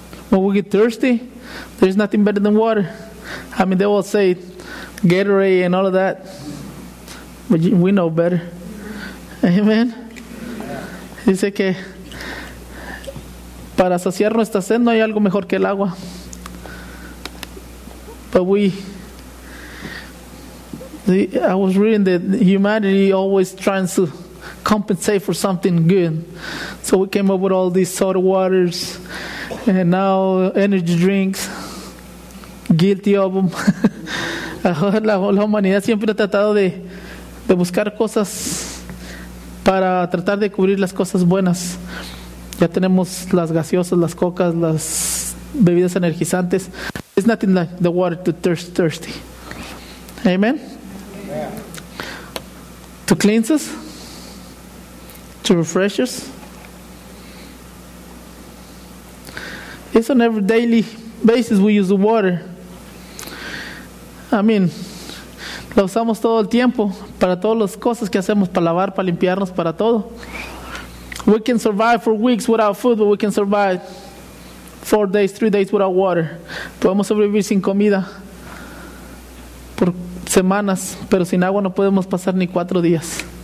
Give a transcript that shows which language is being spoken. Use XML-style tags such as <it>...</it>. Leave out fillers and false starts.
<en>When we get thirsty, there's nothing better than water. I mean, they will say Gatorade and all of that. But we know better. Amen.</en> <es>Dice que para saciar nuestra sed no hay algo mejor que el agua.</es> <en>But I was reading that humanity always trying to compensate for something good. So we came up with all these soda waters and now energy drinks. Guilty of them.</en> <es>La humanidad siempre ha tratado de buscar cosas para tratar de cubrir las cosas buenas. Ya tenemos las gaseosas, las cocas, las bebidas energizantes.</es> <en>It's nothing like the water to thirst thirsty. Amen. Amen. To cleanse us, to refresh us. It's on every daily basis we use the water.</en> <es>I mean, la usamos todo el tiempo para todas las cosas que hacemos, para lavar, para limpiarnos, para todo.</es> <en>We can survive for weeks without food, but we can survive 4 days, 3 days without water.</en> <es>Podemos sobrevivir sin comida por semanas, pero sin agua no podemos pasar ni 4 días.</es>